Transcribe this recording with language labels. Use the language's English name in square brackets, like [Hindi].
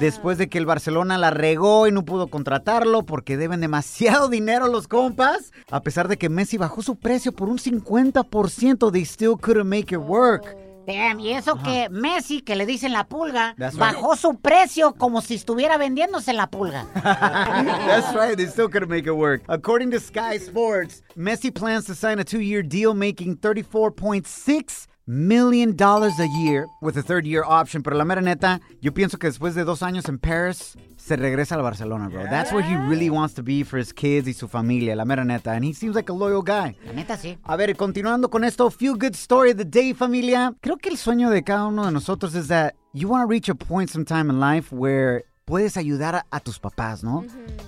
[Spanish] Después de que el Barcelona la regó y no pudo contratarlo porque deben demasiado dinero los compas. A pesar de que Messi bajó su precio por un 50%, [English] they still couldn't make it work. [Spanish] Damn, y eso que Messi, que le dicen la pulga, bajó su precio como si estuviera vendiéndose la pulga. [English] That's right, they still couldn't make it work. According to Sky Sports, Messi plans to sign a 2-year deal making $34.6 million a year with a 3rd-year option. [Spanish] Pero la mera neta, yo pienso que después de 2 años en Paris, se regresa al Barcelona, bro. [English] That's where he really wants to be for his kids [Spanish] y su familia, la mera neta. [English] And he seems like a loyal guy. [Spanish] La neta, sí. A ver, continuando con esto, [English] feel good story of the day, [Spanish] familia. Creo que el sueño de cada uno de nosotros es [English] that you want to reach a point sometime in life where [Spanish] puedes ayudar a tus papás, ¿no? Mm-hmm.